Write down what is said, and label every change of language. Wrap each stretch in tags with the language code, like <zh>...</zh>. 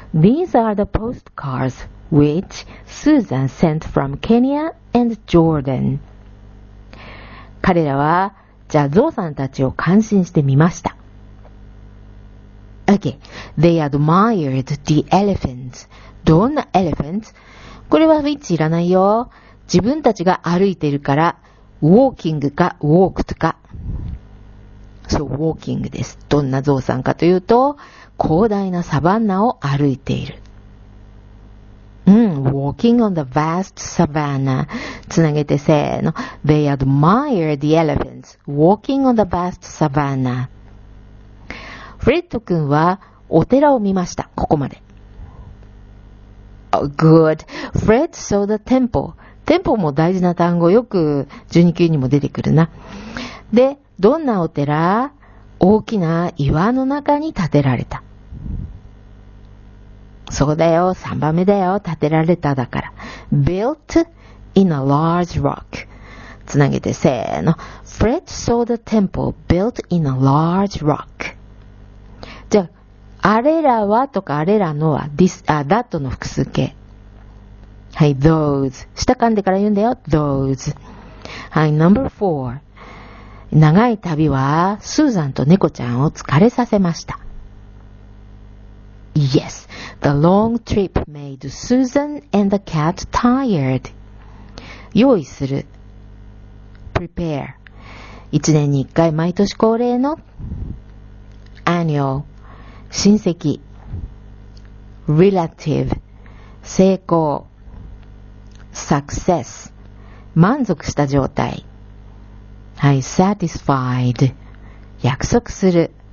<en>These are the postcards which Susan sent from Kenya and Jordan.</en> <ja>彼らは、じゃあゾウさんたちを感心してみました。</ja> <en>Okay. They admired the elephants.</en> <ja>どんな elephants? これはウィッチいらないよ。自分たちが歩いてるから、ウォーキングか、ウォークとか。そう、ウォーキングです。どんなゾウさんかというと、広大なサバンナを歩いている。</ja> <en>うん、walking on the vast savanna.</en> <ja>つなげてせーの。</ja> <en>They admire the elephants, walking on the vast savanna.</en> <ja>フレッド君はお寺を見ました。ここまで。</ja> <en>Oh, good. Fred saw the temple.</en> <ja>テンポも大事な単語、よく12級にも出てくるな。で、どんなお寺？大きな岩の中に建てられた。そうだよ、3番目だよ、建てられただから。</ja> <en>Built in a large rock.</en> <ja>つなげてせーの。</ja> <en>Fred saw the temple built in a large rock.</en> <ja>じゃあ、あれらはとかあれらのは、that の複数形。はい、those. 下噛んでから言うんだよ、those. はい、</ja> <en>number four.</en> <ja>長い旅は、スーザンと猫ちゃんを疲れさせました。</ja> <en>Yes, the long trip made Susan and the cat tired.</en> <ja>用意する。prepare. 一年に一回毎年恒例の。 annual. 親戚。relative. 成功。 success, 満足した状態。はい、satisfied, 約束する。</ja>